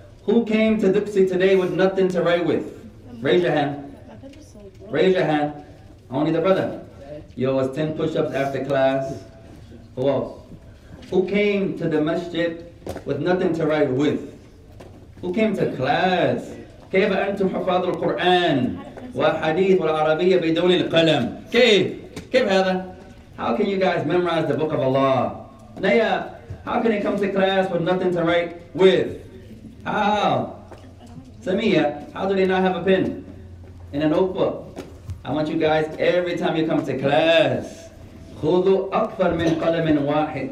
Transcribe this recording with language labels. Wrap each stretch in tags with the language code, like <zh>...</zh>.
<en>Who came to Duxi today with nothing to write with? Raise your hand. Raise your hand. Only the brother. Yo, it was 10 push-ups after class. Who else? Who came to the masjid with nothing to write with? Who came to class?</en> <ar>كيف أنتم حفاظ القرآن وحديث والعربية بدون القلم? كيف هذا?</ar> <en>How can you guys memorize the book of Allah? Naya, how can you come to class with nothing to write with? How? Samia, how do they not have a pen in a notebook? I want you guys, every time you come to class,</en> <ar>خذوا أكثر من قلم واحد.</ar>